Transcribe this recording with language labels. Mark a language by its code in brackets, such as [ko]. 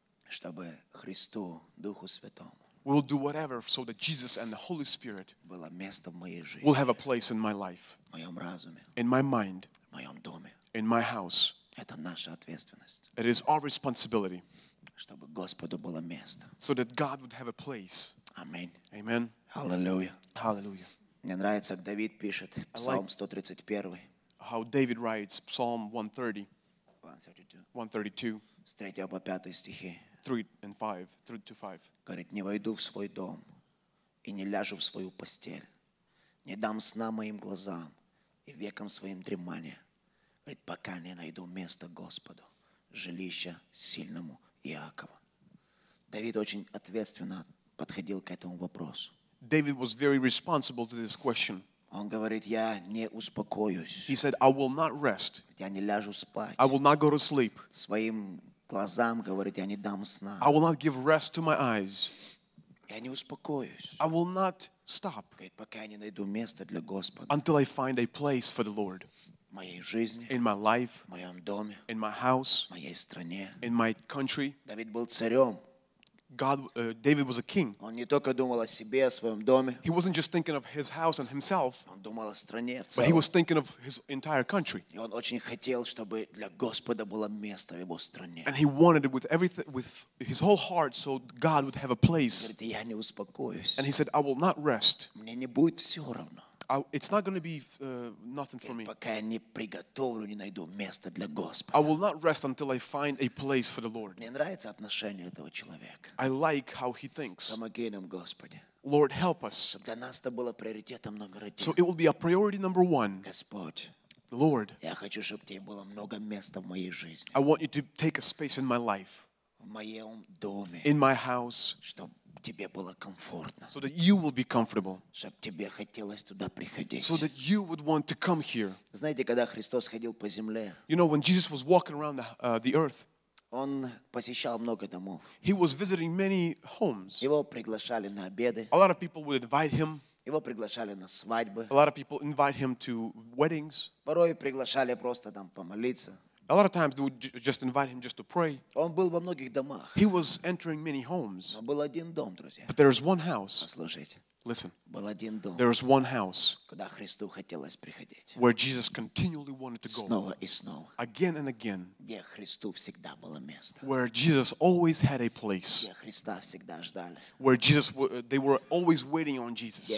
[ru] Чтобы Христу, Духу Святому. [en] We'll do whatever so that Jesus and the Holy Spirit [ru] было место в моей жизни. [en] Will have a place in my life. [ru] В моем разуме. [en] In my mind. [ru] В моем доме. [en] In my house. [ru] Это наша ответственность. [en] It is our responsibility. [ru] Чтобы Господу было место. [en] So that God would have a place. Amen. Amen. Hallelujah. Hallelujah. [ru] Мне нравится, как Давид пишет Псалом 131. [en] How David writes Psalm 130. [ru] 132. 132. С 3 по 5 стихи. [en] 3 to 5. [ru] Говорит, не войду в свой дом и не ляжу в свою постель. Не дам сна моим глазам и векам своим дремания. Говорит, пока не найду место Господу, жилища сильному Иакова. Давид очень ответственно подходил к этому вопросу. [en] David was very responsible to this question. [ru] Он говорит, я не успокоюсь. [en] He said, I will not rest. [ru] Я не ляжу спать. [en] I will not go to sleep. [ru] Своим глазам, говорит, я не дам сна. [en] I will not give rest to my eyes. [ru] Я не успокоюсь. [en] I will not stop. [ru] Говорит, пока я не найду место для Господа. [en] Until I find a place for the Lord. [ru] В моей жизни. [en] In my life. [ru] В моем доме. [en] In my house. [ru] В моей стране. [en] In my country. [ru] Давид был царем. [en] David was a king. [ru] Он не только думал о себе, о своем доме. [en] He wasn't just thinking of his house and himself. [ru] Он думал о стране, в целом. [en] But he was thinking of his entire country. [ru] И он очень хотел, чтобы для Господа было место в его стране. [en] And he wanted it with everything, with his whole heart, so God would have a place. [ru] Говорит, я не успокоюсь. [en] And he said, I will not rest. [ru] Мне не будет все равно. [en] It's not going to be nothing for me. [ru] Пока я не приготовлю, не найду места для Господа. [en] I will not rest until I find a place for the Lord. [ru] Мне нравится отношение этого человека. [en] I like how he thinks. [ru] Помоги нам, Господи. [en] Lord, help us. [ru] Чтобы для нас это было приоритетом номер один. [en] So it will be a priority number one. [ru] Господь. [en] Lord. [ru] Я хочу, чтобы тебе было много места в моей жизни. [en] I want you to take a space in my life. [ru] В моем доме. [en] In my house. [ru] Чтобы тебе было комфортно. [en] So that you will be comfortable. [ru] Чтоб тебе хотелось туда приходить. [en] So that you would want to come here. [ru] Знаете, когда Христос ходил по земле, [en] you know, when Jesus was walking around the earth, [ru] он посещал много домов. [en] He was visiting many homes. [ru] Его приглашали на обеды. [en] A lot of people would invite him. [ru] Его приглашали на свадьбы. [en] A lot of people invite him to weddings. [ru] Порой приглашали просто там помолиться. [en] A lot of times they would just invite him just to pray. [ru] Он был во многих домах. [en] He was entering many homes. [ru] Но был один дом, друзья. [en] But there is one house. [ru] Послушайте. [en] Listen. [ru] Был один дом. [en] There is one house. [ru] Куда Христу хотелось приходить. [en] Where Jesus continually wanted to go. [ru] Снова и снова. [en] Again and again. [ru] Где Христу всегда было место. [en] Where Jesus always had a place. [ru] Где Христа всегда ждали. [en] Where Jesus, they were always waiting on Jesus.